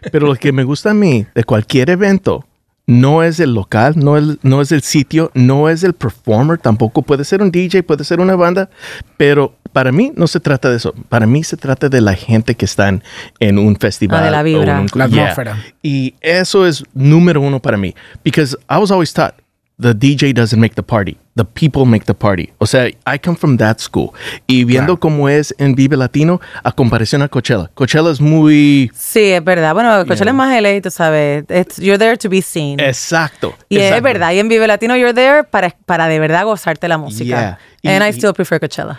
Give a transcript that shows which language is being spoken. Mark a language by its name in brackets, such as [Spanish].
[Spanish] Pero lo que me gusta a mí de cualquier evento no es el local, no es el sitio, no es el performer tampoco. Puede ser un DJ, puede ser una banda, pero para mí no se trata de eso. Para mí se trata de la gente que están en un festival. De la vibra. La atmósfera. Y eso es número uno para mí. [English] Because I was always taught, the DJ doesn't make the party, the people make the party. [Spanish] O sea, [English] I come from that school. [Spanish] Y viendo cómo es en Vive Latino, a comparación a Coachella. Coachella es muy... Sí, es verdad. Bueno, Coachella es más LA, tú sabes. [English] You're there to be seen. [Spanish] Exacto. Y es verdad. Y en Vive Latino, [English] you're there [Spanish] para de verdad gozarte la música. [English] Yeah. And I still prefer Coachella.